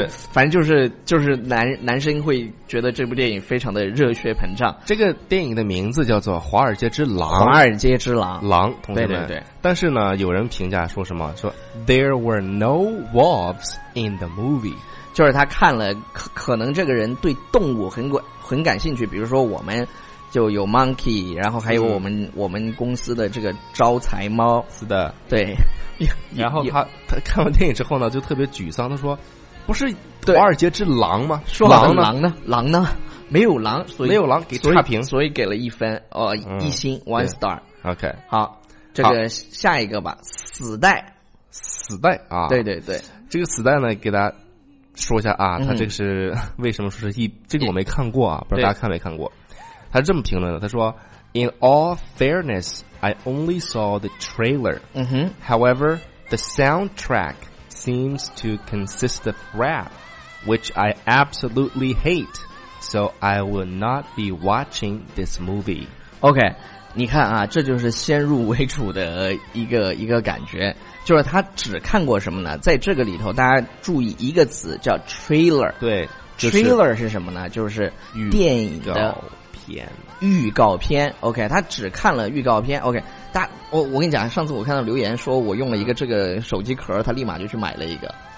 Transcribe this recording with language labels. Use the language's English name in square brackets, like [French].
[Chinese] 反正就是男生会觉得这部电影非常的热血膨胀。这个电影的名字叫做《华尔街之狼》。华尔街之狼，狼，同学们。对对对。但是呢，有人评价说什么？ [English] 说 There were no wolves in the movie。 [Chinese] 就是他看了，可能这个人对动物很感兴趣。比如说我们就有 monkey， 然后还有我们公司的这个招财猫。是的，对。然后他看完电影之后呢，就特别沮丧。他说：“不是华尔街之狼吗？说狼呢？狼呢？狼呢？没有狼，所以没有狼，给差评，所以给了一分，一星 ， [English] one star。 OK， [Chinese] 好，这个下一个吧，死带，死带啊！对对对，这个死带呢，给大家说一下啊，他这个是为什么说是一？这个我没看过啊，不知道大家看没看过？他是这么评论的，他说 ： [English] In all fairness。” I only saw the trailer.、 Mm-hmm. However, the soundtrack seems to consist of rap, which I absolutely hate. So I will not be watching this movie. [Chinese] OK， 你看啊，这就是先入为主的一个感觉，就是他只看过什么呢？在这个里头，大家注意一个词叫 trailer。对、就是、，trailer 是什么呢？就是电影的。预告片 ，OK， 他只看了预告片 ，OK， 大我跟你讲，上次我看到留言说我用了一个这个手机壳，他立马就去买了一个。